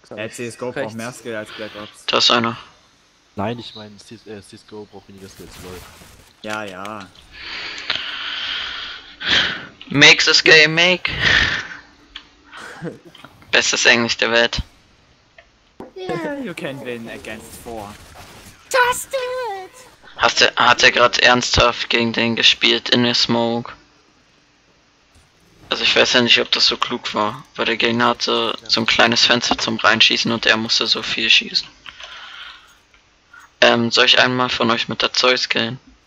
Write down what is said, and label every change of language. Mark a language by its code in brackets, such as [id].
[de] CSGO braucht mehr Skill als Black Ops. Da ist einer. Nein, ich meine CSGO braucht weniger Skill als LOL. Ja, ja. [en] Make this game make. [de] Bestes Englisch der Welt. [en] Yeah, you can win against 4. Just do it! [de] Hat er gerade ernsthaft gegen den gespielt in der Smoke? Also ich weiß ja nicht, ob das so klug war, weil der Gegner hatte so ein kleines Fenster zum Reinschießen und er musste so viel schießen. Soll ich einmal von euch mit der Zeus gehen?